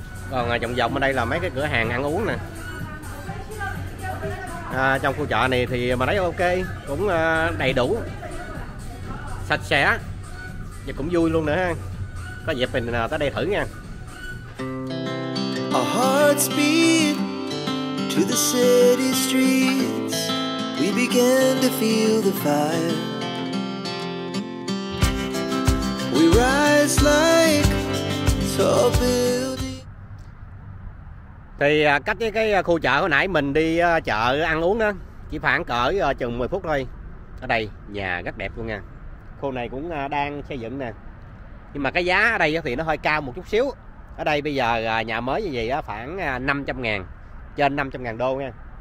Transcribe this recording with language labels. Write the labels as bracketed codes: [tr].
[vi] Còn vòng vòng ở đây là mấy cái cửa hàng ăn uống nè. Trong khu chợ này thì mà thấy ok, cũng đầy đủ, sạch sẽ và cũng vui luôn nữa ha. Có dịp mình nào tới đây thử nha. [en] Our hearts beat to the city streets. We began to feel the fire. We rise like tall buildings. [vi] Thì cách với cái khu chợ hồi nãy mình đi chợ ăn uống đó chỉ khoảng cỡ chừng 10 phút thôi. Ở đây nhà rất đẹp luôn nha. Khu này cũng đang xây dựng nè, nhưng mà cái giá ở đây thì nó hơi cao một chút xíu. Ở đây bây giờ nhà mới như vậy khoảng 500.000, trên 500.000 đô nha.